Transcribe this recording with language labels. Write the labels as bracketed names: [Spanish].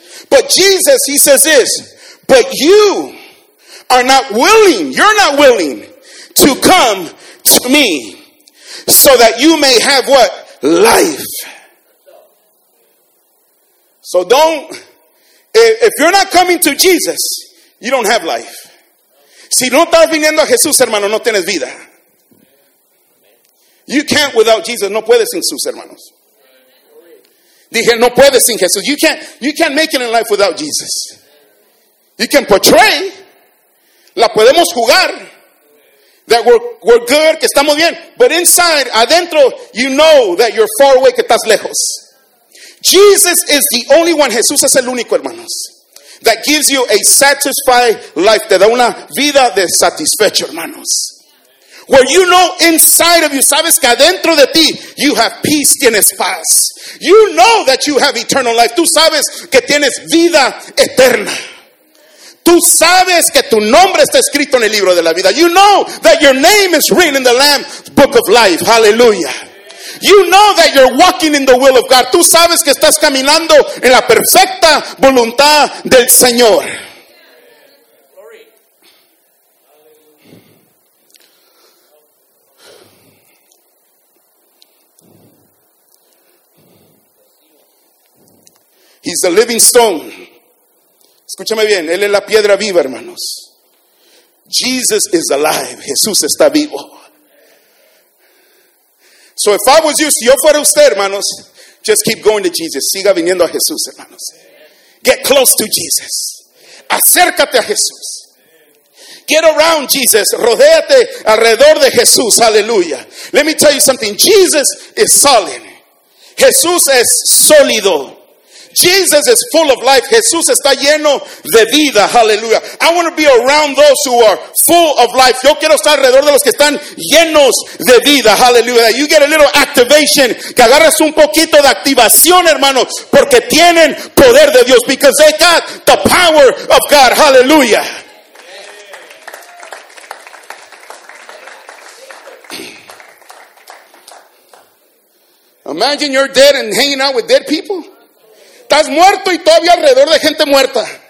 [English] But Jesus, he says this, but you are not willing, you're not willing to come to me so that you may have what? Life. So don't, if you're not coming to Jesus, you don't have life. [Spanish] Si no estás viniendo a Jesús, hermano, no tienes vida. [English] You can't without Jesus. [Spanish] No puedes sin Jesús, hermanos. Dije, no puedes sin Jesús. [English] You can't make it in life without Jesus. You can portray. [Spanish] La podemos jugar. [English] That we're good, [Spanish] que estamos bien. [English] But inside, adentro, you know that you're far away, [Spanish] que estás lejos. [English] Jesus is the only one, [Spanish] Jesús es el único, hermanos, [English] that gives you a satisfied life, [Spanish] te da una vida de satisfecho, hermanos. [English] Where you know inside of you, [Spanish] sabes que adentro de ti, [English] you have peace, [Spanish] tienes paz. [English] You know that you have eternal life. [Spanish] Tú sabes que tienes vida eterna. Tú sabes que tu nombre está escrito en el libro de la vida. [English] You know that your name is written in the Lamb's book of life. Hallelujah. You know that you're walking in the will of God. [Spanish] Tú sabes que estás caminando en la perfecta voluntad del Señor. [English] He's the living stone. [Spanish] Escúchame bien, Él es la piedra viva, hermanos. [English] Jesus is alive. [Spanish] Jesús está vivo. [English] So if I was you, [Spanish] si yo fuera usted, hermanos, [English] just keep going to Jesus. [Spanish] Siga viniendo a Jesús, hermanos. [English] Get close to Jesus. [Spanish] Acércate a Jesús. [English] Get around Jesus. [Spanish] Rodéate alrededor de Jesús. Aleluya. [English] Let me tell you something. Jesus is solid. [Spanish] Jesús es sólido. [English] Jesus is full of life. [Spanish] Jesús está lleno de vida. [English] Hallelujah. I want to be around those who are full of life. [Spanish] Yo quiero estar alrededor de los que están llenos de vida. Hallelujah. [English] You get a little activation. [Spanish] Que agarras un poquito de activación, hermanos. Porque tienen poder de Dios. [English] Because they got the power of God. Hallelujah. Imagine you're dead and hanging out with dead people. [Spanish] Estás muerto y todavía alrededor de gente muerta.